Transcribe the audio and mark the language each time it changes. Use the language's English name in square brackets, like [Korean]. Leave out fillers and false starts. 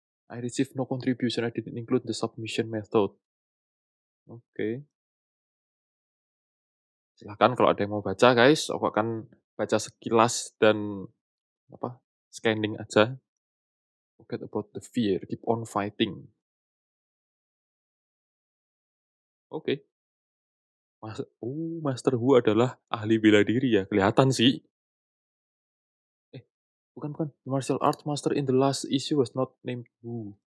[English] I received no contribution. I didn't include the submission method. Oke. Okay. [Indonesian] Silahkan kalau ada yang mau baca guys. Aku akan baca sekilas dan apa scanning aja. [English] Forget about the fear. Keep on fighting. Oke. Okay. [Indonesian] Master Wu adalah ahli bela diri ya, kelihatan sih. Bukan. [English] Martial arts master in the last issue was not named Wu.